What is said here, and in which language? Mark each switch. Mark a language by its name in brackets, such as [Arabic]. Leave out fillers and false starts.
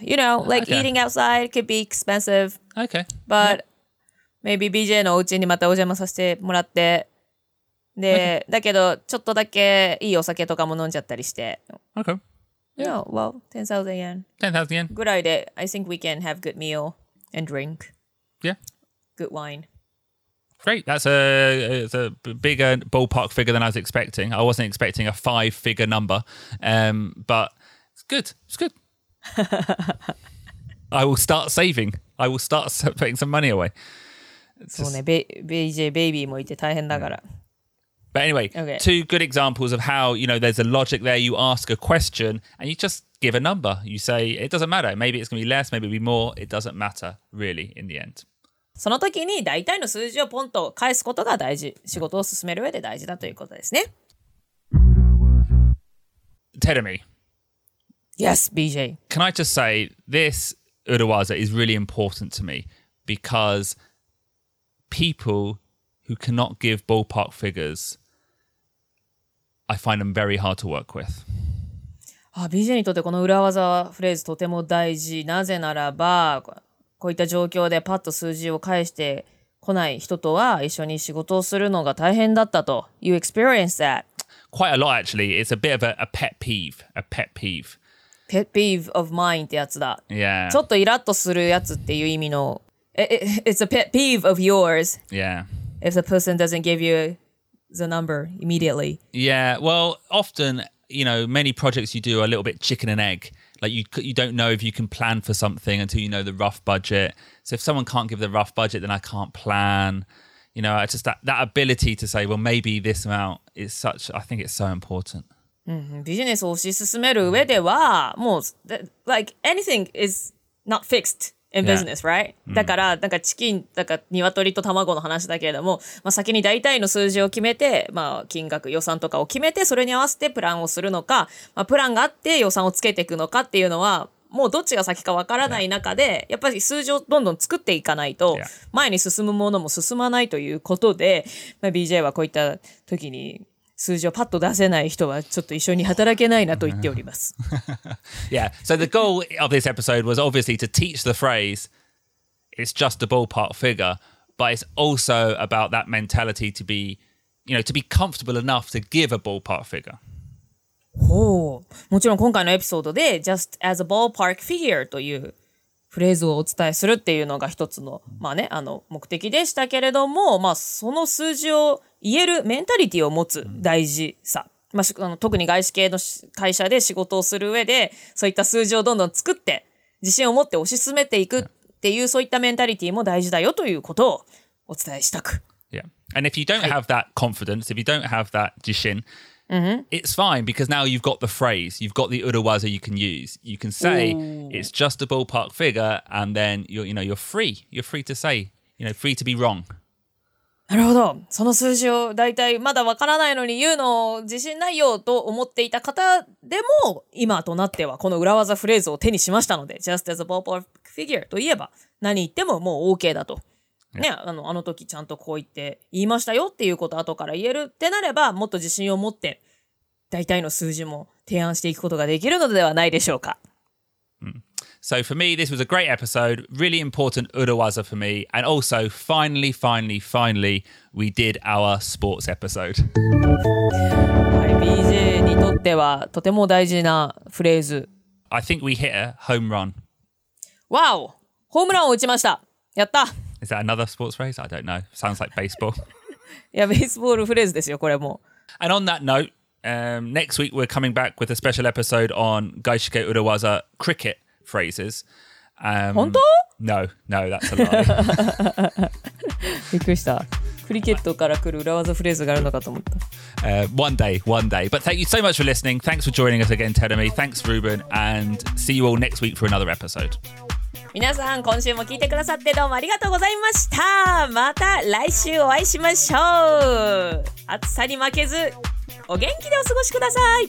[English] You know, like eating outside could be expensive. Okay. [Japanese] But maybe BJ のお家にまたお邪魔させてもらって。で、だけど、ちょっとだけいいお酒とかも飲んじゃったりして。 [English] Okay. Yeah, well, 10,000 yen. 10,000 yen. ぐらいで、 I think we can have good meal and drink. Yeah. Good wine. Great, that's a bigger ballpark figure than I was expecting. I wasn't expecting a five-figure number, but it's good. I will start putting some money away. [Japanese] そうね、BJ Baby もいて大変だから。 [English] But anyway, two good examples of how, you know, there's a logic there. You ask a question and you just give a number. You say, it doesn't matter. Maybe it's going to be less, maybe it'll be more. It doesn't matter, really, in the end. [Japanese] その時に大体の数字をポンと返すことが大事、仕事を進める上で大事だということですね。 [English] Terumi. Yes, BJ. Can I just say this Urawaza is really important to me because people who cannot give ballpark figures, I find them very hard to work with. [Japanese] ああ、BJ にとってこの Urawaza フレーズとても大事。なぜならば、こういった状況でパッと数字を返してこない人とは一緒に仕事をするのが大変だったと。 [English] You experience that. Quite a lot, actually. It's a bit of a pet peeve. A pet peeve. Pet peeve of mine ってやつだ。 Yeah. [Japanese] ちょっとイラッとするやつっていう意味の。 [English] It's a pet peeve of yours. Yeah. If the person doesn't give you the number immediately. Yeah. Well, often, you know, many projects you do are a little bit chicken and egg. Like you don't know if you can plan for something until you know the rough budget. So if someone can't give the rough budget, then I can't plan. You know, just that ability to say, well, maybe this amount is such, I think it's so important. Business を推し進める上では、もう、 like anything is not fixed in business, right? [Japanese] だから、なんかチキン、だから鶏と卵の話だけれども、まあ、先に大体の数字を決めて、まあ、金額、予算とかを決めて、それに合わせてプランをするのか、まあ、プランがあって予算をつけていくのかっていうのは、もうどっちが先かわからない中で、やっぱり数字をどんどん作っていかないと、前に進むものも進まないということで、まあ、BJ はこういった時に数字をパッと出せない人はちょっと一緒に働けないなと言っております。 [English] Yeah, so the goal of this episode was obviously to teach the phrase, it's just a ballpark figure, but it's also about that mentality to be, you know, to be comfortable enough to give a ballpark figure. [Japanese] ほう、もちろん今回のエピソードで just as a ballpark figure というフレーズをお伝えするっていうのが一つの、まあね、あの目的でしたけれども、まあ、その数字を言えるメンタリティを持つ大事さ、まあ、あの特に外資系の会社で仕事をする上でそういった数字をどんどん作って自信を持って推し進めていくっていうそういったメンタリティも大事だよということをお伝えしたく。 [English] Yeah. And if you don't have that confidence, if you don't have that 自信、Mm-hmm. It's fine because now you've got the phrase, you've got the urawaza you can use. You can say、Ooh. It's just a ballpark figure, and then you're, you know, you're free. You're free to say, you know, free to be wrong. [Japanese] なるほど。その数字をだいたいまだわからないのに言うのを自信ないよと思っていた方でも、今となってはこの urawaza フレーズを手にしましたので、 just as a ballpark figure といえば何言ってももう OK だと。ね、あの時ちゃんとこう言って言いましたよっていうことを後から言えるってなればもっと自信を持って大体の数字も提案していくことができるのではないでしょうか。 [English] So for me this was a great episode, really important urawaza for me, and also finally we did our sports episode. [Japanese] BJ にとってはとても大事なフレーズ。 [English] I think we hit a home run. Wow! [Japanese] ホームランを打ちました。やった。 [English] Is that another sports phrase? I don't know. Sounds like baseball. Yeah, baseball phrase ですよ、これも。 And on that note,、next week we're coming back with a special episode on 外資系urawaza cricket phrases. [Japanese] 本当？ [English] No, that's a lie. [Japanese] びっくりした。クリケットから来る urawaza フレーズがあるのかと思った。 [English] One day. But thank you so much for listening. Thanks for joining us again, Terumi. Thanks, Ruben. And see you all next week for another episode. [Japanese] 皆さん、今週も聞いてくださってどうもありがとうございました。また来週お会いしましょう。暑さに負けず、お元気でお過ごしください。